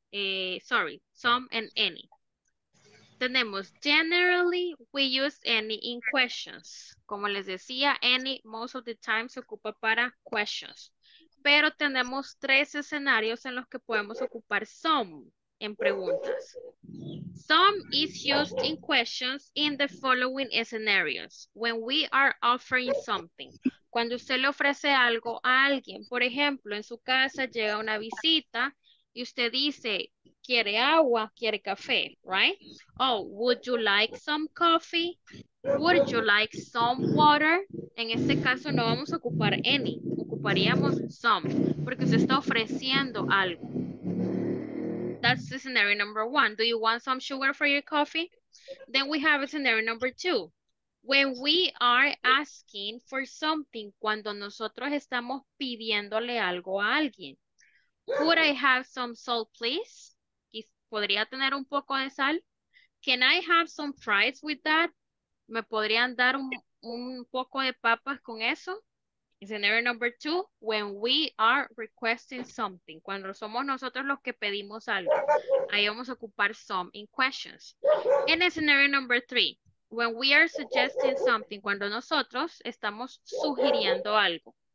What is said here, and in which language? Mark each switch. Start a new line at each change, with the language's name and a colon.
English: Some and any.
Spanish: Tenemos,
English: generally, we use any in questions.
Spanish: Como les decía,
English: any most of the time
Spanish: se ocupa para questions. Pero tenemos tres escenarios en los que podemos ocupar some en preguntas.
English: Some is used in questions in the following scenarios. When we are offering something.
Spanish: Cuando usted le ofrece algo a alguien, por ejemplo, en su casa llega una visita y usted dice, ¿quiere agua? ¿Quiere café?
English: Right? Oh, would you like some coffee? Would you like some water?
Spanish: En este caso no vamos a ocupar any. Ocuparíamos some. Porque se está ofreciendo algo.
English: That's the scenario number one. Do you want some sugar for your coffee? Then we have a scenario number two. When we are asking for something,
Spanish: cuando nosotros estamos pidiéndole algo a alguien.
English: Could I have some salt, please?
Spanish: ¿Podría tener un poco de sal?
English: Can I have some fries with that?
Spanish: ¿Me podrían dar un poco de papas con eso?
English: Scenario number two, when we are requesting something.
Spanish: Cuando somos nosotros los que pedimos algo. Ahí vamos a ocupar some
English: in questions. En scenario number three, when we are suggesting something.
Spanish: Cuando nosotros estamos sugiriendo algo.